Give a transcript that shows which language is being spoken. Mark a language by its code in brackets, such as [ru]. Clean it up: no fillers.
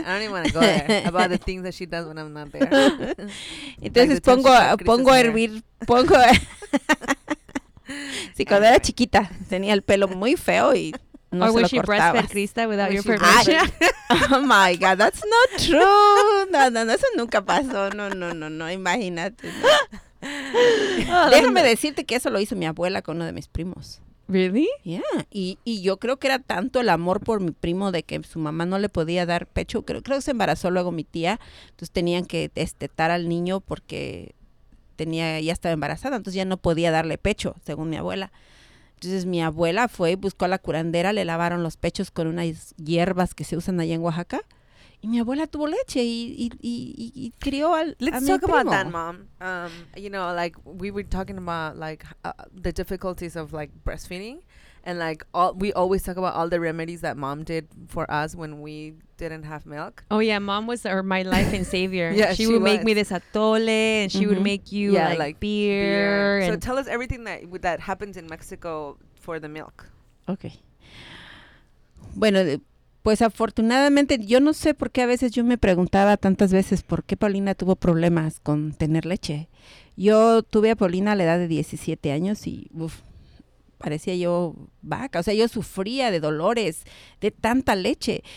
[en] I don't even want to go there about the things that she does when I'm not there. [es] Entonces pongo a hervir, pongo... Sí, cuando era chiquita, tenía el pelo muy feo y no [en] or [es] se lo cortaba. [en] Or was she breastfed Krista without your permission? Oh my God, that's not true. [es] No, eso nunca pasó. No, imagínate. No. Oh, déjame decirte que eso lo hizo mi abuela con uno de mis primos. [en] Really? Yeah. [es] Y yo creo que era tanto el amor por mi primo de que su mamá no le podía dar pecho. Creo que se embarazó luego mi tía. Entonces tenían que destetar al niño porque... tenía, ya estaba embarazada, entonces ya no podía darle pecho, según mi abuela. Entonces mi abuela fue y buscó a la curandera, le lavaron los pechos con unas hierbas que se usan allá en Oaxaca, y mi abuela tuvo leche y crió al [en] Let's [es] a [en] talk [es] mi primo. [en] About that, mom. You know, like we were talking about like the difficulties of like breastfeeding, and like all we always talk about all the remedies that mom did for us when we didn't have milk. Oh yeah, mom was my life and savior. Yeah, she would was. Make me this atole, and mm-hmm. she would make you like beer. And so tell us everything that happens in Mexico for the milk. Okay. [es] Bueno, pues afortunadamente, yo no sé por qué a veces yo me preguntaba tantas veces por qué Paulina tuvo problemas con tener leche. Yo tuve a Paulina a la edad de 17 años y uf, parecía yo vaca. O sea, yo sufría de dolores, de tanta leche.